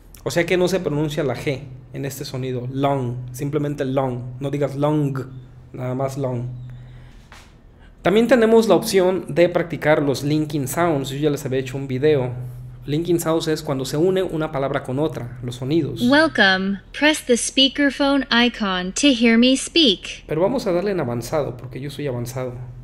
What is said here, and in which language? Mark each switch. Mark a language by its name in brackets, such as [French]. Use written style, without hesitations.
[Spanish] O sea que no se pronuncia la g en este sonido, long, simplemente long, no digas long, nada más long. También tenemos la opción de practicar los linking sounds. Yo ya les había hecho un video. Linking sounds es cuando se une una palabra con otra, los sonidos. [English] Welcome. Press the speakerphone icon to hear me speak. [Spanish] Pero vamos a darle en avanzado, porque yo soy avanzado.